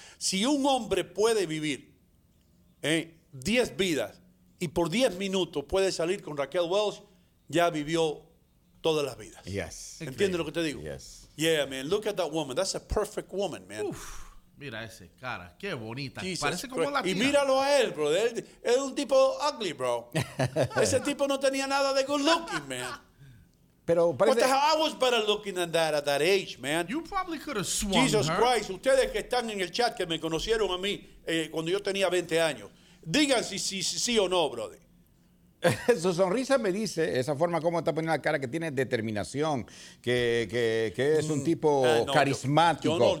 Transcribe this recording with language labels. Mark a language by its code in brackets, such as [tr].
[es] Si un hombre puede vivir 10 vidas y por 10 minutos puede salir con Raquel Welch, ya vivió todas las vidas. [en] Yes. [es] ¿Entiendes lo que te digo? [en] Yes. Yeah, man, look at that woman. That's a perfect woman, man. [es] Uf. Mira ese cara, qué bonita. Jesus, parece como la y tía. Míralo a él, bro. Él es un tipo ugly, bro. Ese tipo no tenía nada de good looking, man. Pero parece. [en] What the hell? I was better looking than that at that age, man. You probably could have swung Jesus her. [es] Christ, ustedes que están en el chat que me conocieron a mí cuando yo tenía 20 años, digan si o no, bro. Su sonrisa me dice, esa forma como está poniendo la cara, que tiene determinación, que es un tipo carismático.